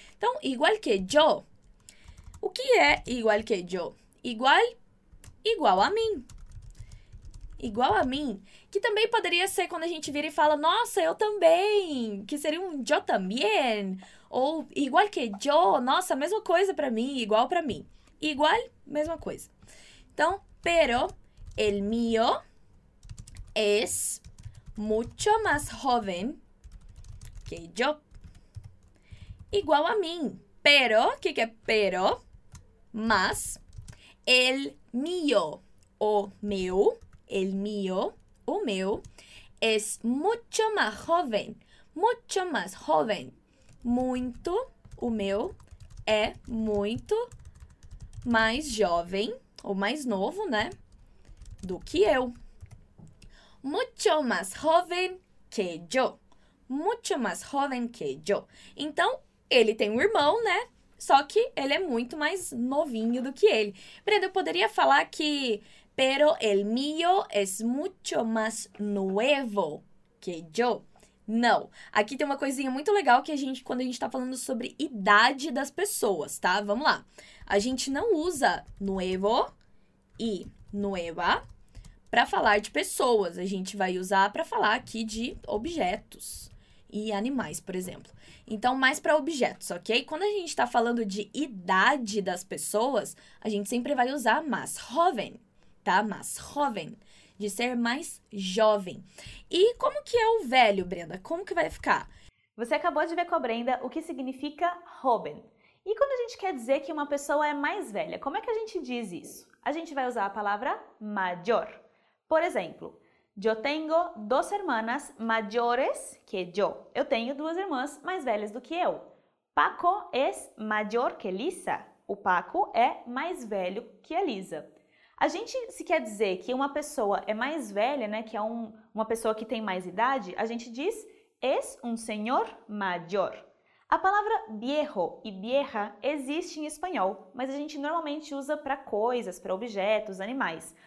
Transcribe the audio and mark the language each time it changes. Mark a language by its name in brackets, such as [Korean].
[Portuguese] Então, [Spanish] igual que yo. [Portuguese] O que é igual que yo? Igual a mim. igual a mim, que também poderia ser quando a gente vira e fala, nossa, eu também, que seria um [Spanish] yo también, [Portuguese] ou [Spanish] igual que yo, [Portuguese] nossa, mesma coisa para mim, igual para mim. Igual, mesma coisa. [Spanish] Então, pero el mío es mucho más joven que yo. [Portuguese] Igual a mim. [Spanish] Pero, que é pero? Mas, el mío, [Portuguese] o meu, [Spanish] el mío, o meu, es mucho más joven, mucho más joven. [Portuguese] Muito, o meu, é muito mais jovem, ou mais novo, né? Do que eu. [Spanish] Mucho más joven que yo. Mucho más joven que yo. [Portuguese] Então, ele tem um irmão, né? Só que ele é muito mais novinho do que ele. Brenda, eu poderia falar que... [Spanish] Pero el mío es mucho más nuevo que yo. [Portuguese] Não. Aqui tem uma coisinha muito legal que a gente... Quando a gente tá falando sobre idade das pessoas, tá? Vamos lá. A gente não usa nuevo e nueva pra falar de pessoas. A gente vai usar pra falar aqui de objetos e animais, por exemplo. Então, mais para objetos, ok? Quando a gente está falando de idade das pessoas, a gente sempre vai usar más joven, tá? Más joven, de ser mais jovem. E como que é o velho, Brenda? Como que vai ficar? Você acabou de ver com a Brenda o que significa joven. E quando a gente quer dizer que uma pessoa é mais velha, como é que a gente diz isso? A gente vai usar a palavra mayor. [Spanish] Por exemplo, yo tengo dos hermanas mayores que yo. [Portuguese] Eu tenho duas irmãs mais velhas do que eu. [Spanish] Paco es mayor que Lisa. [Portuguese] O Paco é mais velho que a Lisa. A gente se quer dizer que uma pessoa é mais velha, né? Que é uma pessoa que tem mais idade. A gente diz [Spanish] es un señor mayor. [Portuguese] A palavra viejo e vieja existe em espanhol, mas a gente normalmente usa para coisas, para objetos, animais.